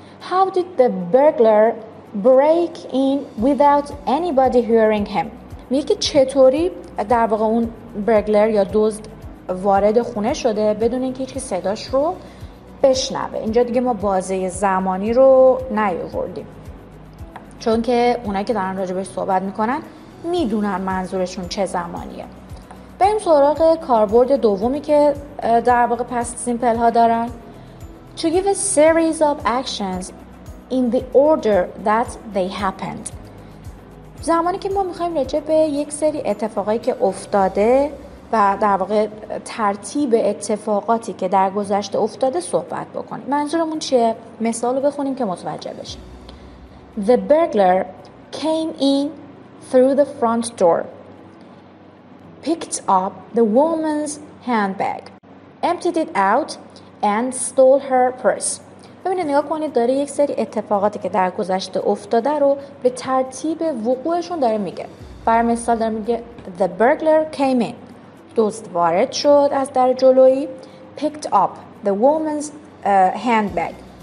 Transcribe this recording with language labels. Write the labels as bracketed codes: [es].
[en] How did the burglar break in without anybody hearing him؟ [fa] میگه چطوری در واقع اون برگلر یا دزد وارد خونه شده بدون اینکه هیچ کی صداش رو بشنوه. اینجا دیگه ما بازه زمانی رو نیاوردیم، چون که اونایی که دارن راجع بهش صحبت میکنن میدونن منظورشون چه زمانیه. بریم سراغ کاربرد دومی که در واقع پست سیمپل ها دارن. [en] To give a series of actions in the order that they happened. [fa] زمانی که ما میخواییم راجع به یک سری اتفاقایی که افتاده و در واقع ترتیب اتفاقاتی که در گذشته افتاده صحبت بکنیم. منظورمون چیه؟ مثال رو بخونیم که متوجه بشیم. [en] The burglar came in through the front door. Picked up the woman's handbag, emptied it out, and stole her purse. [fa] ببینید نگاه کنید داره یک سری اتفاقاتی که در گذشته افتاده رو به ترتیب وقوعشون داره میگه. برای مثال داره میگه [en] the burglar came in. [fa] دزد وارد شد از در جلویی. [en] Picked up the woman's handbag.